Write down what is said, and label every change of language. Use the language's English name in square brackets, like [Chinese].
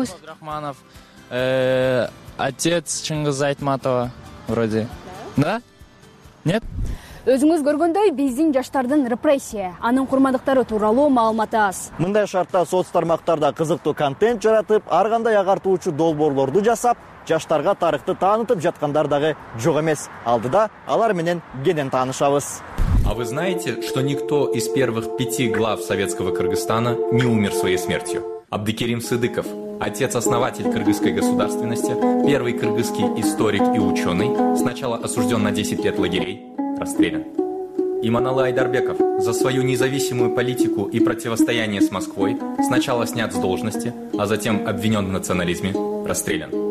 [Russian] Жусуп Абдрахманов, отец Чыңгыза Айтматова, вроде. Да? Нет? [Kyrgyz] Өзүңүз көргөндөй биздин жаштардын репрессия, анын курмандыктары тууралуу маалымат аз. Мындай шартта соц тармактарда кызыктуу контент жаратып, ар кандай агартуучу долбоорлорду жасап, жаштарга тарыхты таанытып жаткандар дагы жок эмес. Алдыда алар менен кенен таанышабыз. [Russian] А вы знаете, что никто из первых пяти глав советского Кыргызстана не умер своей смертью? Абдыкерим Сыдыков, отец-основатель кыргызской государственности, первый кыргызский историк и ученый, сначала осужден на 10 лет лагерей, расстрелян. Иманалы Айдарбеков, за свою независимую политику и противостояние с Москвой, сначала снят с должности, а затем обвинен в национализме, расстрелян.